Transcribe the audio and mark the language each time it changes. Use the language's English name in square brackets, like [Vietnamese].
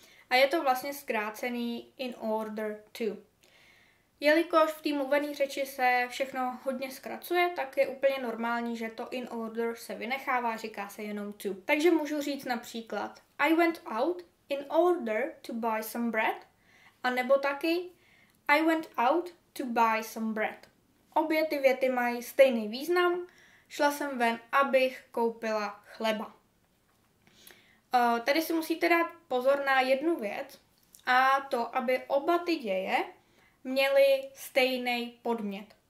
[Czech] A je to vlastně zkrácený in order to. Jelikož v té mluvené řeči se všechno hodně zkracuje, tak je úplně normální, že to in order se vynechává, říká se jenom to. Takže můžu říct například [English] I went out in order to buy some bread. [Czech] A nebo taky [English] I went out to buy some bread. [Czech] Obě ty věty mají stejný význam. Šla jsem ven, abych koupila chleba. Tady si musíte dát pozor na jednu věc a to, aby oba ty děje měly stejný podmět.